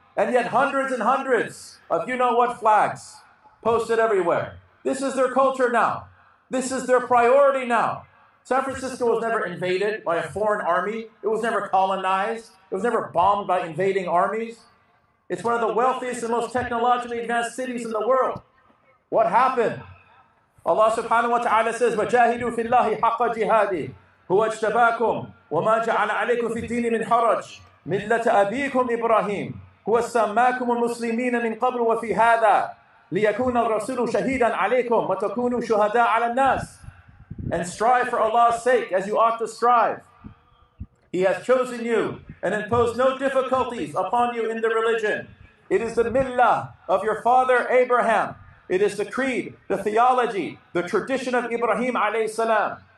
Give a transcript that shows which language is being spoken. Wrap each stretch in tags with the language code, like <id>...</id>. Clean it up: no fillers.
<en>And yet hundreds and hundreds of you-know-what flags posted everywhere. This is their culture now. This is their priority now. San Francisco was never invaded by a foreign army. It was never colonized. It was never bombed by invading armies. It's one of the wealthiest and most technologically advanced cities in the world. What happened? Allah subhanahu wa ta'ala says,</en> <ar>وَجَاهِدُوا فِي اللَّهِ حَقَّ جِهَادِ هُوَ اجْتَبَاكُمْ وَمَا جَعَلَ عَلَيْكُمْ فِي الدِّينِ مِنْ حَرَجٍ مِلَّةَ أَبِيكُمْ إِبْرَاهِيمُ هُوَ سَمَّاكُمْ الْمُسْلِمِينَ مِنْ قَبْلُ وَفِي هَذَا لِيَكُونَ الرَّسُولُ شَهِيدًا عَلَيْكُمْ وَتَكُونُوا شُهَدَاءَ عَلَى النَّاسِ.</ar> <en>And strive for Allah's sake as you ought to strive. He has chosen you and imposed no difficulties upon you in the religion. It is the millah of your father Abraham. It is the creed, the theology, the tradition of Ibrahim alayhi salam.</en>